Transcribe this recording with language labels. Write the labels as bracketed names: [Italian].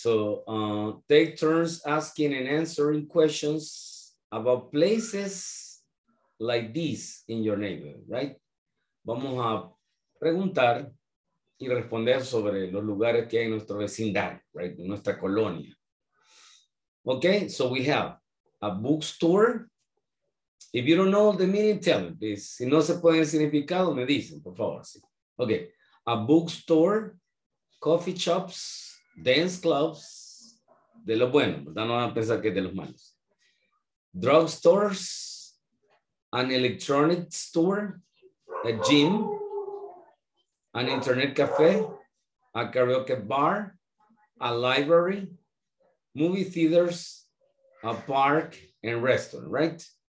[English] So take turns asking and answering questions about places like this in your neighborhood, right? [Spanish] Vamos a preguntar y responder sobre los lugares que hay en nuestro vecindario, right? En nuestra colonia. [English] Okay, so we have a bookstore. If you don't know the meaning, tell me, please. [Spanish] Si no se puede el significado, me dicen, por favor. Sí. Okay. [English] A bookstore, coffee shops, dance clubs, [Spanish] de lo bueno, ¿verdad? No van a pensar que es de los malos. [English] Drug stores, an electronic store, a gym, an internet cafe, a karaoke bar, a library, movie theaters, a park, and restaurant, right?